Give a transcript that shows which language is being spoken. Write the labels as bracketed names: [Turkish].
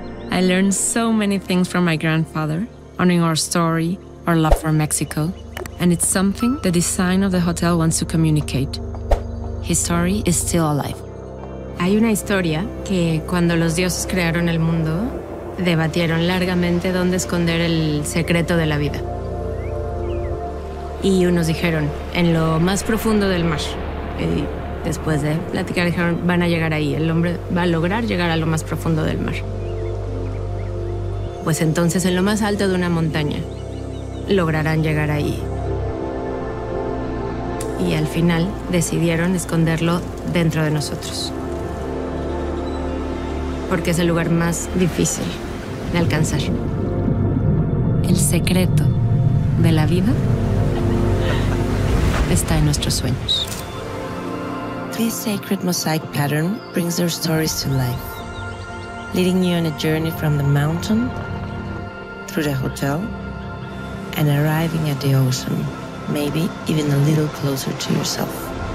[English] I learned so many things from my grandfather, honoring our story, our love for Mexico, and it's something the design of the hotel wants to communicate. His story is still alive. [Spanish] Hay una historia que cuando los dioses crearon el mundo, debatieron largamente dónde esconder el secreto de la vida. Y unos dijeron, en lo más profundo del mar. Y después de platicar, dijeron, van a llegar ahí. El hombre va a lograr llegar a lo más profundo del mar. Pues entonces, en lo más alto de una montaña, lograrán llegar ahí. Y al final, decidieron esconderlo dentro de nosotros. Porque es el lugar más difícil de alcanzar. El secreto de la vida está en nuestros sueños. [English] This sacred mosaic pattern brings their stories to life, leading you on a journey from the mountain through the hotel and arriving at the ocean, maybe even a little closer to yourself.